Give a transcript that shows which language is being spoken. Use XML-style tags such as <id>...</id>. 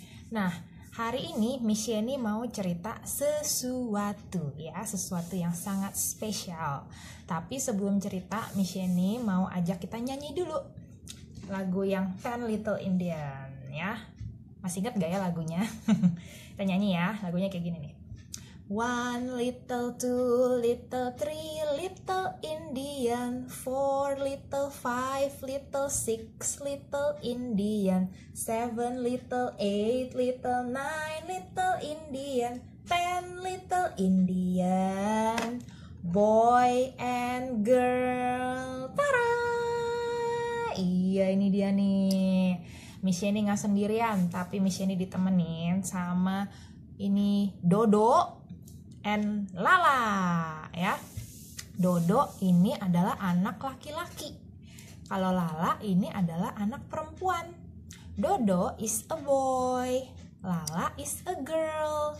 <id>Nah, hari ini Miss Yeni mau cerita sesuatu ya, sesuatu yang sangat spesial. Tapi sebelum cerita, Miss Yeni mau ajak kita nyanyi dulu lagu yang Ten Little Indian ya. Masih ingat gak ya lagunya? Kita nyanyi ya, lagunya kayak gini nih.</id> <en>One little, two little, three little Indian. Four little, five little, six little Indian. Seven little, eight little, nine little Indian. Ten little Indian. Boy and girl. Tara!</en> <id>Iya, ini dia nih. Miss Yeni gak sendirian, tapi Miss Yeni ditemenin sama ini Dodo and Lala ya. Dodo ini adalah anak laki-laki. Kalau Lala ini adalah anak perempuan.</id> <en>Dodo is a boy, Lala is a girl.</en>